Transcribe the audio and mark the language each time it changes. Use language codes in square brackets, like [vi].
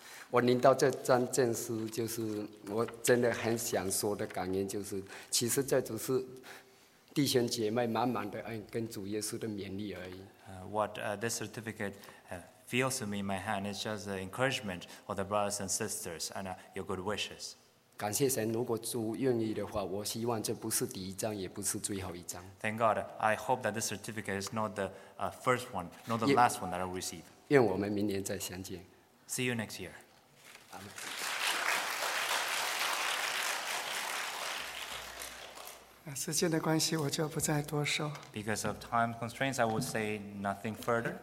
[zh] 我领到这张证书，就是我真的很想说的感言，就是其实这只是弟兄姐妹满满的恩跟主耶稣的勉励而已。 [en] What this certificate feels to me in my hand is just an encouragement for the brothers and sisters and your good wishes. [zh] 感谢神，如果主愿意的话，我希望这不是第一张，也不是最后一张。 [en] Thank God, I hope that this certificate is not the first one, not the last one that I receive. [zh] 愿我们明年再相见。 [en] See you next year. [zh] 时间的关系，我就不再多说。 [en] Because of time constraints, I will say nothing further.